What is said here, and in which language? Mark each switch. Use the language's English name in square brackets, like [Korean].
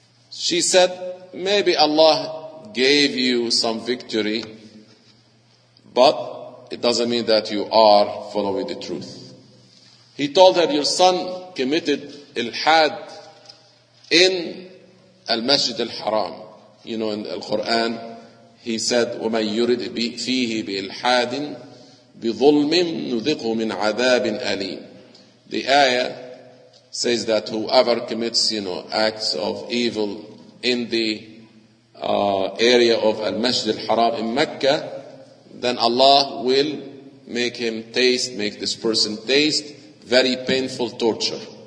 [English] She said, maybe Allah gave you some victory, but it doesn't mean that you are following the truth. He told her, your son committed ilhad in al-Masjid al-Haram. you know, in the Quran, he said, [Arabic] وَمَنْ يُرِدْ فِيهِ بِإِلْحَادٍ بِظُلْمٍ نُذِقُهُ مِنْ عَذَابٍ أَلِيمٍ. [English] The ayah says that whoever commits, you know, acts of evil in the area of Al-Masjid al-Haram in Mecca, then Allah will make him taste, make this person taste very painful torture.